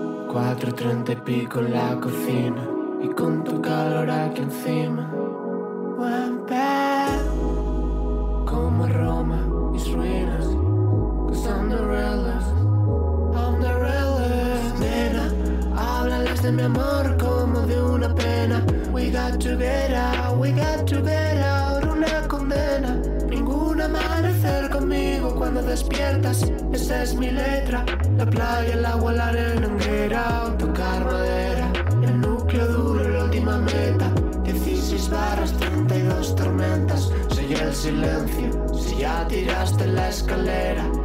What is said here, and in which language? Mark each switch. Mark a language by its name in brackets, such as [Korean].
[Spanish] Cuatro treinta y pico en la cocina y con tu calor aquí encima. [English] One Path. [Spanish] Como Roma, mis ruinas. [English] Cause I'm the realest. I'm the realest. [Spanish] Nena, háblales de mi amor como de una pena. [English] We got to get out, we got to get out. [Spanish] Una condena. Ningún amanecer conmigo cuando despiertas. Esa es mi letra. La playa, el agua, la arena, un [English] get out. [Spanish] Tocar madera. El núcleo duro, la última meta. 16 barras, 32 tormentas. Sigue el silencio, si ya tiraste la escalera.